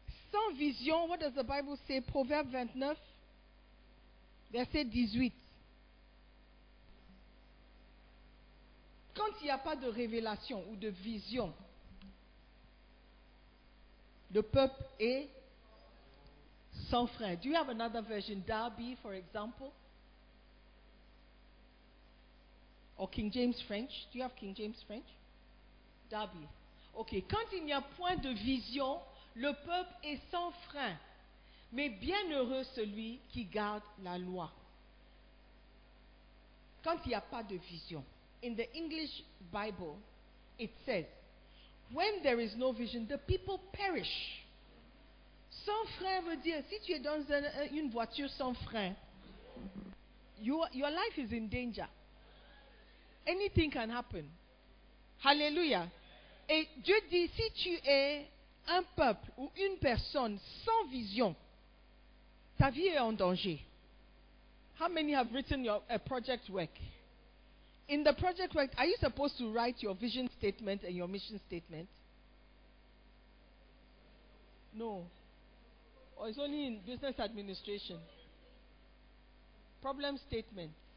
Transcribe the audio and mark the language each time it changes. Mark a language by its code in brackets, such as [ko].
[fr] Sans vision, [en] what does the Bible say? [fr] Proverbe 29, verset 18. Quand il n'y a pas de révélation ou de vision, le peuple est sans frein. [en] Do you have another version? Darby, for example? Or King James French. Do you have King James French? Darby. Ok. [fr] Quand il n'y a point de vision, le peuple est sans frein. Mais bienheureux celui qui garde la loi. Quand il n'y a pas de vision. [en] In the English Bible, it says, when there is no vision, the people perish. [fr] Sans frein veut dire, si tu es dans une voiture sans frein, [en] your life is in danger. Anything can happen. [fr] Hallelujah. Et Dieu dit, si tu es un peuple ou une personne sans vision, ta vie est en danger. [en] How many have written your project work? In the project work, are you supposed to write your vision statement and your mission statement? No. Or it's only in business administration. Problem statement.